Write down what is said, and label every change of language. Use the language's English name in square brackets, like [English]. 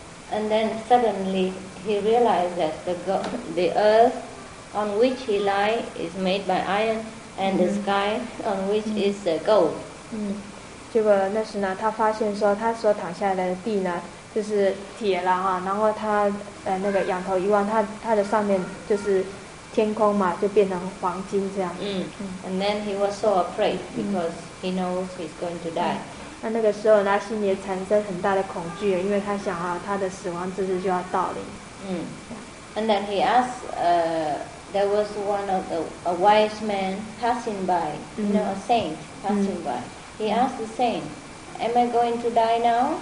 [English] And then suddenly he realized that the earth on which he lies is made by iron and the sky on which is gold. [Chinese] 结果那时呢，他发现说，他所躺下来的地呢，就是铁了哈。然后他那个仰头一望，他的上面就是天空嘛，就变成黄金这样。 [English] And then he was so afraid because he knows he's going to die. [Chinese] 那个时候呢，心里产生很大的恐惧，因为他想啊，他的死亡之日就要到临。 [English] And then he asked, there was one of a wise man passing by, you know, a saint passing by. He asked the saint, am I going to die now?